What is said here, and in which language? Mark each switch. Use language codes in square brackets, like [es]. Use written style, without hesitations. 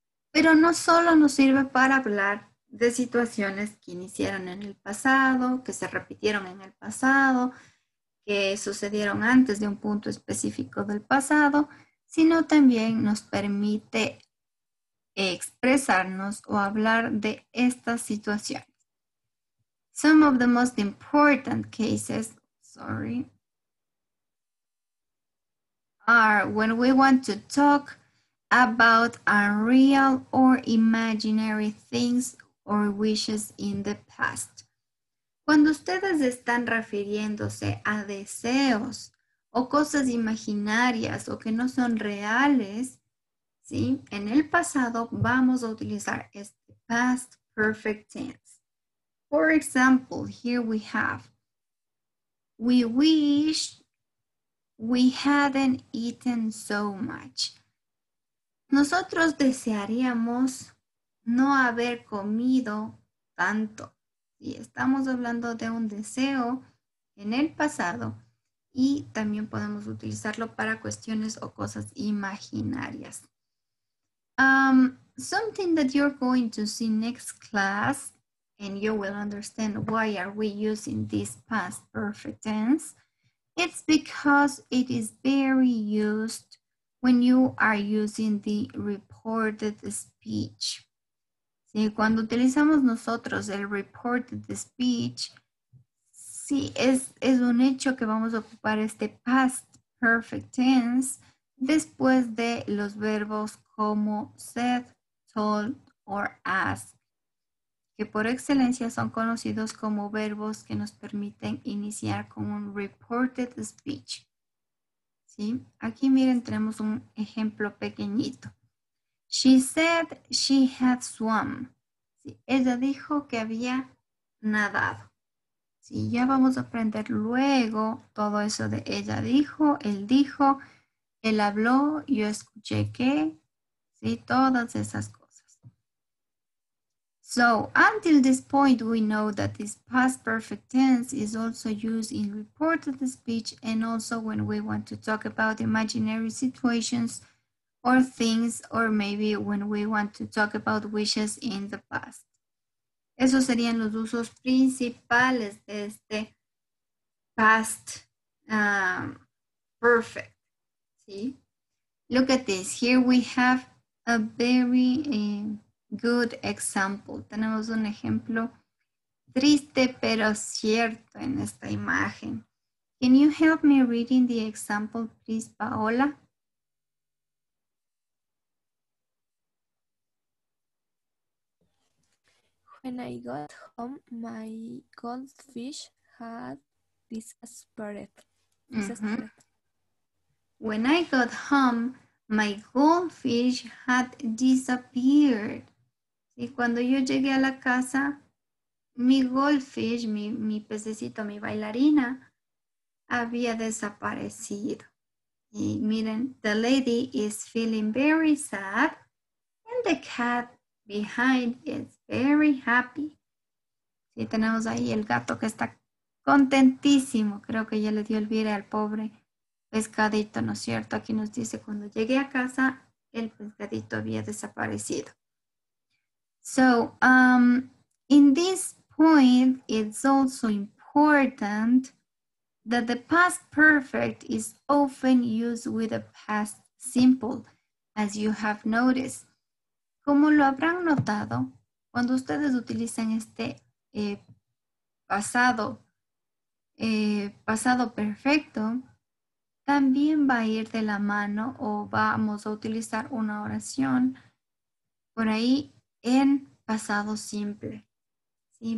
[es] Pero no solo nos sirve para hablar de situaciones que iniciaron en el pasado, que se repitieron en el pasado, que sucedieron antes de un punto específico del pasado, sino también nos permite expresarnos o hablar de esta situación. [en] Some of the most important cases, sorry, are when we want to talk about unreal or imaginary things or wishes in the past. [es] Cuando ustedes están refiriéndose a deseos o cosas imaginarias o que no son reales, ¿sí? En el pasado vamos a utilizar este past perfect tense. [en] For example, here we have, we wish we hadn't eaten so much. [es] Nosotros desearíamos no haber comido tanto. Y estamos hablando de un deseo en el pasado. Y también podemos utilizarlo para cuestiones o cosas imaginarias. [en] Something that you're going to see next class, and you will understand why are we using this past perfect tense, it's because it is very used when you are using the reported speech. [es] Sí, cuando utilizamos nosotros el reported speech, sí, es un hecho que vamos a ocupar este past perfect tense después de los verbos como said, told, or asked, que por excelencia son conocidos como verbos que nos permiten iniciar con un reported speech. ¿Sí? Aquí miren, tenemos un ejemplo pequeñito. [en] She said she had swum. [es] ¿Sí? Ella dijo que había nadado. ¿Sí? Ya vamos a aprender luego todo eso de ella dijo, él dijo, él habló, yo escuché que. Y todas esas cosas. [en] So until this point, we know that this past perfect tense is also used in reported speech and also when we want to talk about imaginary situations or things, or maybe when we want to talk about wishes in the past. [es] Esos serían los usos principales de este past perfect. [en] See? Look at this. Here we have a very good example. [es] Tenemos un ejemplo triste pero cierto en esta imagen. [en] Can you help me reading the example, please, Paola? When I got home, my goldfish had disappeared. When I got home, my goldfish had disappeared. [es] Y cuando yo llegué a la casa, mi goldfish, mi pececito, mi bailarina, había desaparecido. Y miren, [en] the lady is feeling very sad and the cat behind is very happy. [es] Y tenemos ahí el gato que está contentísimo. Creo que ya le dio el vire al pobre pescadito, ¿no es cierto? Aquí nos dice, cuando llegué a casa, el pescadito había desaparecido. [en] So, in this point, it's also important that the past perfect is often used with a past simple, as you have noticed. [es] Como lo habrán notado, cuando ustedes utilizan este pasado perfecto, también va a ir de la mano o vamos a utilizar una oración por ahí en pasado simple. ¿Sí?